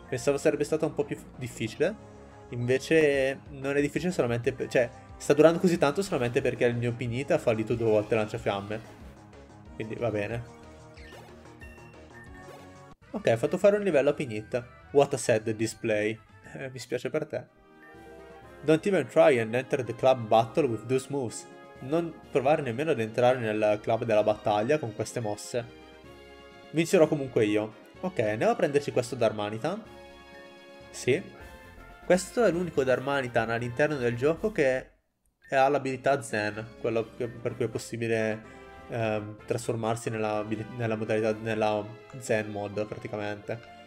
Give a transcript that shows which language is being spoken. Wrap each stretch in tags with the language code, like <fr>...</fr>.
<it>Pensavo sarebbe stata un po' più difficile. Invece non è difficile solamente cioè, sta durando così tanto solamente perché il mio Pinita ha fallito 2 volte lanciafiamme. Quindi va bene. Ok, ha fatto fare un livello a Pinita.</it> <en>What a sad display.</en> <it>Mi spiace per te.</it> <en>Don't even try and enter the club battle with those moves.</en> <it>Non provare nemmeno ad entrare nel club della battaglia con queste mosse. Vincerò comunque io. Ok, andiamo a prenderci questo Darmanitan. Sì. Questo è l'unico Darmanitan all'interno del gioco che ha l'abilità Zen, quello per cui è possibile trasformarsi nella modalità, nella Zen mod praticamente.</it>